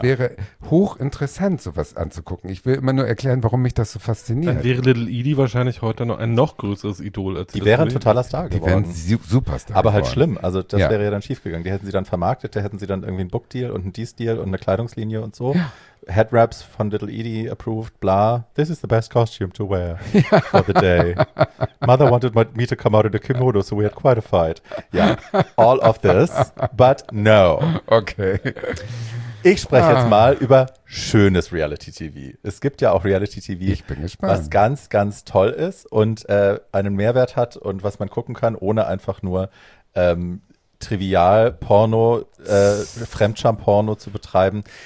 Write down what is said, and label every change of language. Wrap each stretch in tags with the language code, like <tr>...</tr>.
<de>Es wäre hochinteressant, sowas anzugucken. Ich will immer nur erklären, warum mich das so fasziniert. Dann wäre Little Edie wahrscheinlich heute noch ein noch größeres Idol als die. Die wären totaler Star geworden. Die wären Superstar geworden. Aber halt schlimm. Also das wäre ja dann schiefgegangen. Die hätten sie dann vermarktet, da hätten sie dann irgendwie einen Book-Deal und einen Dies-Deal und eine Kleidungslinie und so. Ja. Headwraps von Little Edie approved, bla.</de> <en>This is the best costume to wear for the day. Mother wanted me to come out in a kimono, so we had quite a fight. Yeah, all of this, but no. Okay.</en> <de>Ich spreche jetzt mal über schönes Reality-TV. Es gibt ja auch Reality-TV, was ganz, ganz toll ist und einen Mehrwert hat und was man gucken kann, ohne einfach nur trivial, Porno, Fremdscham-Porno zu betreiben.</de>